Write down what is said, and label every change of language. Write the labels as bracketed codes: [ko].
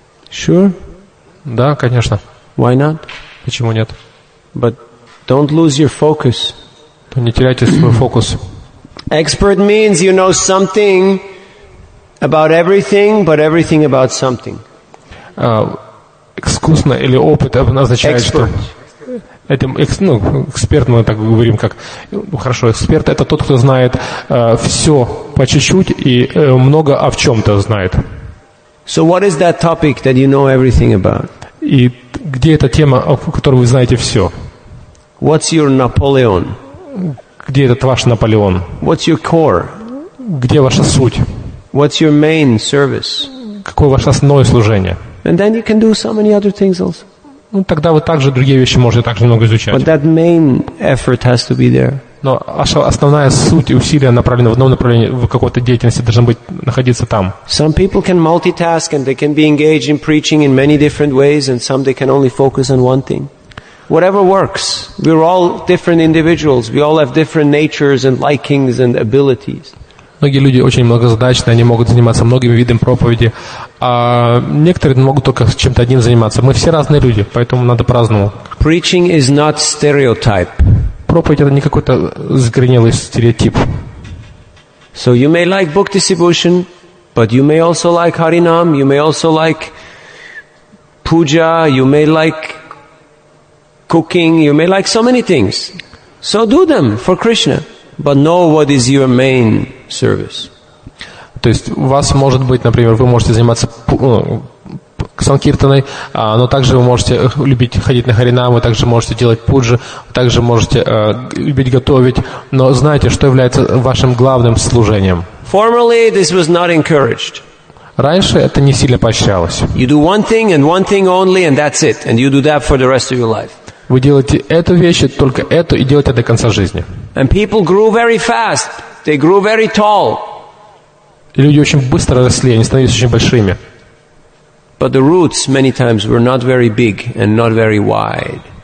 [en] Sure. [ru] Да, конечно. [en] Why not? [ru] Почему нет? [en] But don't lose your focus. [ru] Не теряйте свой фокус. [en] Expert means you know something about everything, but everything about something. [ru] Искусно или опыт означает, что этим эксперт мы так говорим, как хорошо, эксперт это тот, кто знает все по чуть-чуть и много о чем-то знает. [en] So what is that topic that you know everything about? [ru] И где эта тема, о которой вы знаете все? [en] What's your Napoleon? [ru] Где этот ваш Наполеон? [en] What's your core? [ru] Где ваша суть? [en] What's your main service? [ru] Какое ваше основное служение? [en] And then you can do so many other things also. [ru] Ну, тогда вы также другие вещи можете также много изучать. [en] But that main effort has to be there. [ru] Но ваша основная суть и усилия направлены в одном направлении, в какой-то деятельности должны быть находиться там. [en] Some people can multitask and they can be engaged in preaching in many different ways and some they can only focus on one thing. Whatever works. We're all different individuals. We all have different natures and likings and abilities. [ru] Многие люди очень многозадачны, они могут заниматься многими видами проповеди, а некоторые могут только чем-то одним заниматься. Мы все разные люди, поэтому надо по-разному. [en] Preaching is not stereotype. [ru] Проповедь это не какой-то закоренелый стереотип. [en] So you may like book distribution, but you may also like Харинам, you may also like Puja, you may like cooking, you may like so many things. So do them for Krishna. But know what is your main service. [ru] То есть у вас может быть, например, вы можете заниматься санкиртаной, но также вы можете любить ходить на харинам, вы также можете делать пуджи, также можете любить готовить, но знаете, что является вашим главным служением. [en] Formerly this was not encouraged. [ru] Раньше это не сильно поощрялось. [en] You do one thing and one thing only and that's it. And you do that for the rest of your life. [ru] Вы делаете эту вещь, только эту, и делаете до конца жизни. [en] And people grew very fast. They grew very tall. [ru] И люди очень быстро росли, они становились очень большими. [en] But the roots many times were not very big and not very wide.